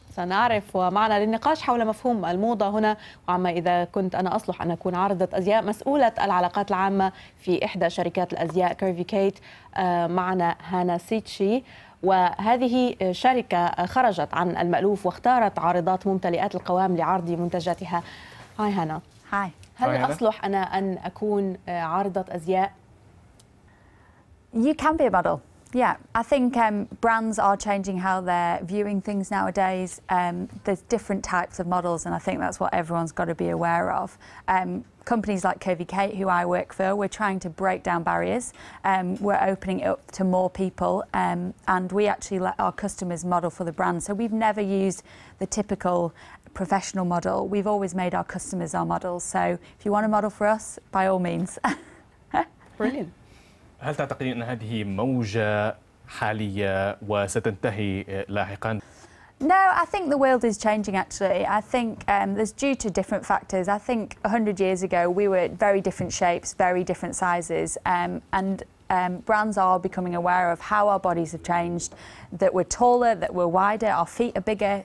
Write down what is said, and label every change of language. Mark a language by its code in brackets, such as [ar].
[ar] سنعرف، ومعنا للنقاش حول مفهوم الموضة هنا وعما إذا كنت أنا أصلح أن أكون عارضة أزياء مسؤولة العلاقات العامة في إحدى شركات الأزياء كيرفي كيت، معنا هانا سيتشي. وهذه شركة خرجت عن المألوف واختارت عارضات ممتلئات القوام لعرض منتجاتها. هاي هانا. هاي. هل أصلح أنا أن أكون عارضة أزياء؟ [en] You can be a model. Yeah, I think brands are changing how they're viewing things nowadays. There's different types of models, and I think that's what everyone's got to be aware of. Companies like Kirby Kate, who I work for, we're trying to break down barriers. We're opening it up to more people, and we actually let our customers model for the brand. So we've never used the typical professional model. We've always made our customers our models. So if you want to model for us, by all means. Brilliant. [ar] هل تعتقدين أن هذه موجة حالية وستنتهي لاحقاً؟ [en] No, I think the world is changing actually. I think there's due to different factors. I think 100 years ago we were very different shapes, very different sizes, and brands are becoming aware of how our bodies have changed, that we're taller, that we're wider, our feet are bigger.